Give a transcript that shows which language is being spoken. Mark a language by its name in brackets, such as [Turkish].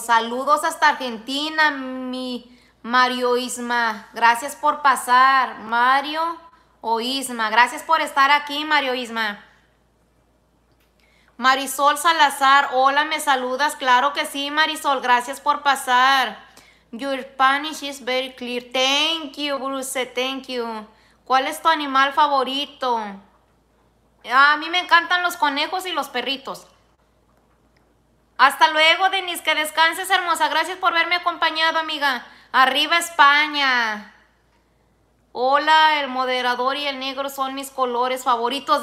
[Spanish] Saludos hasta Argentina, mi Mario Isma. Gracias por pasar, Mario o Isma. Gracias por estar aquí, Mario Isma. Marisol Salazar, hola, ¿me saludas? Claro que sí, Marisol, gracias por pasar. [English] Your Spanish is very clear. Thank you, Bruce, thank you. [Spanish] ¿Cuál es tu animal favorito? A mí me encantan los conejos y los perritos. Hasta luego, Denise. Que descanses, hermosa. Gracias por verme acompañado, amiga. Arriba, España. Hola, el moderador y el negro son mis colores favoritos.